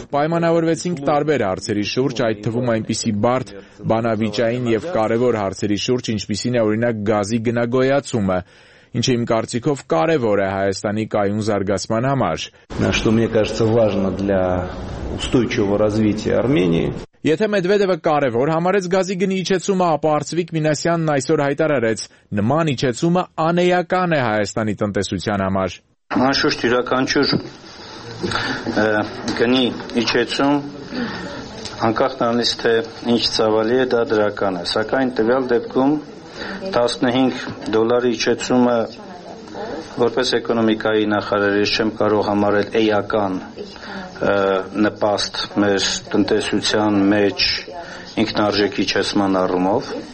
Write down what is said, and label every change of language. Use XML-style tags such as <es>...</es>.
<hy>Պայմանավորվեցինք տարբեր հարցերի շուրջ, այդ թվում այնպիսի բարդ բանավիճային եւ կարեւոր հարցերի շուրջ, ինչպիսին է օրինակ գազի գնագոյացումը, ինչը իմ կարծիքով կարեւոր է Հայաստանի կայուն զարգացման համար։</hy> <ru>Что мне кажется важно для устойчивого развития Армении.</ru> <hy>Եթե Մեդվեդևը կարևոր համարեց գազի գնի իջեցումը, ապա Արծվիկ Մինասյանն այսօր հայտարարեց, նման իջեցումը անեյական է Հայաստանի տնտեսության համար։ Անշուշտ յուրաքանչյուր գնի իջեցում, անկախ նրանից, թե ինչ ծավալի է, դա դրական է, սակայն տվյալ դեպքում $15 իջեցումը, որպես էկոնոմիկայի նախարար, ես չեմ կարող համարել էական նպաստ մեր տնտեսության մեջ ինքնարժեքի չեսման առումով։</hy>